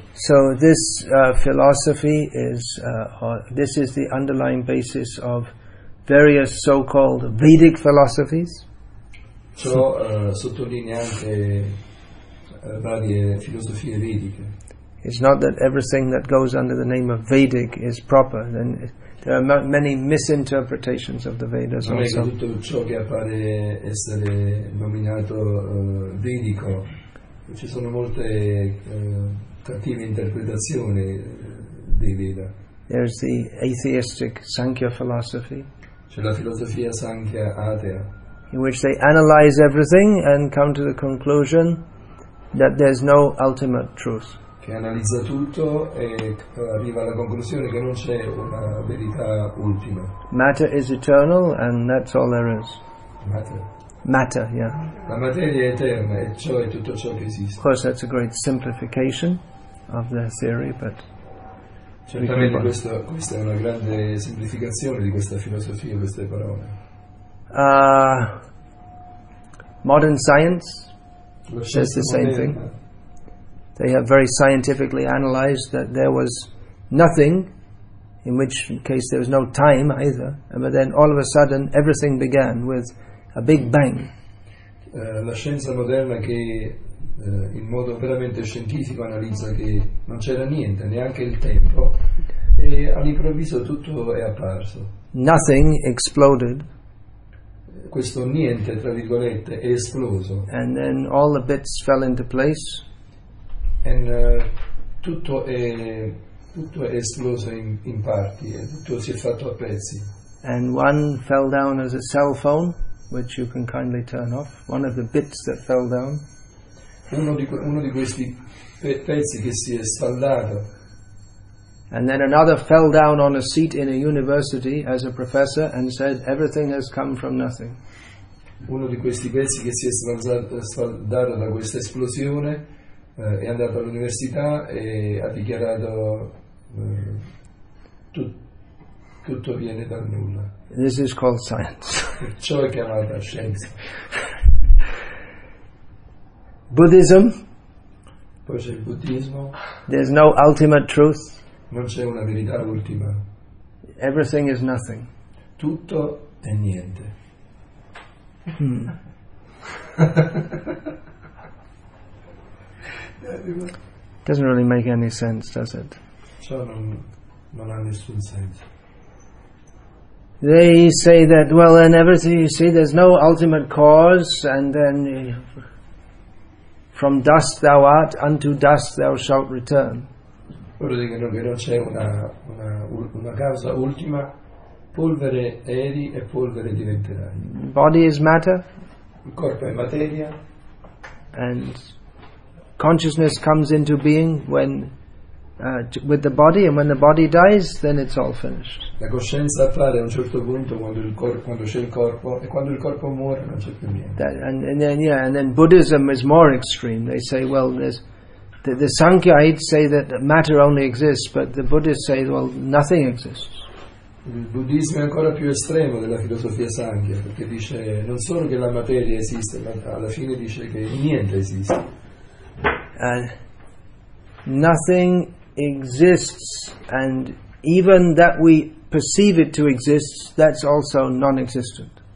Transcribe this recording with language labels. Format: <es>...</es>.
<en>So this philosophy is this is the underlying basis of various so-called Vedic philosophies.</en> <it>Ciò sottolinea anche varie filosofie vediche.</it> <en>It's not that everything that goes under the name of Vedic is proper. Then there are many misinterpretations of the Vedas</en> <it>non</it> <en>also.</en> <it>Non è che tutto ciò che appare essere nominato vedico, ci sono molte cattive interpretazioni dei Veda.</it> <en>There's the atheistic Sankhya philosophy.</en> <it>C'è la filosofia Sankhya atea.</it> <en>In which they analyze everything and come to the conclusion that there's no ultimate truth.</en> <it>Che analizza tutto e arriva alla conclusione che non c'è una verità ultima.</it> <en>Matter is eternal and that's all there is. Matter. Matter, yeah.</en> <it>La materia è eterna e ciò è tutto ciò che esiste.</it> <en>Of course that's a great simplification of their theory, but...</en> <it>Certamente questa è una grande semplificazione di questa filosofia, queste parole.</it> <en>Modern science says the same thing. They have very scientifically analyzed that there was nothing, in which case there was no time either, but then all of a sudden everything began with a big bang.</en> <it>La scienza moderna che in modo veramente scientifico analizza che non c'era niente, neanche il tempo, e all'improvviso tutto è apparso.</it> <en>Nothing exploded.</en> <it>Questo niente, tra virgolette, è esploso.</it> <en>And then all the bits fell into place.</en> <it>And tutto è esploso in parti, e tutto si è fatto a pezzi.</it> <en>And one fell down as a cell phone, which you can kindly turn off. One of the bits that fell down.</en> <it>Uno di questi pezzi che si è sfaldato.</it> <en>And then another fell down on a seat in a university as a professor and said, "Everything has come from nothing."</en> <it>Uno di questi pezzi che si è sfaldato da questa esplosione. È andato all'università e ha dichiarato tutto viene dal nulla.</it> <en>This is called science.</en> <it>Ciò è chiamata scienza.</it> <en>Buddhism.</en> <it>Poi c'è il buddismo.</it> <en>There's no ultimate truth.</en> <it>Non c'è una verità ultima.</it> <en>Everything is nothing.</en> <it>Tutto è niente.</it> <en>Doesn't really make any sense, does it?</en> <it>Ciò non ha nessun senso.</it> <en>They say that, well, then everything, you see, there's no ultimate cause, and then from dust thou art, unto dust thou shalt return.</en> <it>Loro dicono che non c'è una causa ultima, polvere eri e polvere diventerai.</it> <en>Body is matter.</en> <it>Il corpo è materia.</it> <en>And consciousness comes into being when with the body, and when the body dies, then it's all finished.</en> <it>La coscienza appare a un certo punto quando c'è il corpo, e quando il corpo muore non c'è più niente.</it> <en>That, and then Buddhism is more extreme. They say, well, there's the Sankhyaites say that matter only exists, but the Buddhists say, well, nothing exists.</en> <it>Il buddismo è ancora più estremo della filosofia Sankhya, perché dice non solo che la materia esiste, ma alla fine dice che niente esiste.</it> <en>Nothing exists, and even that we perceive it to exist, that's also non-existent.</en>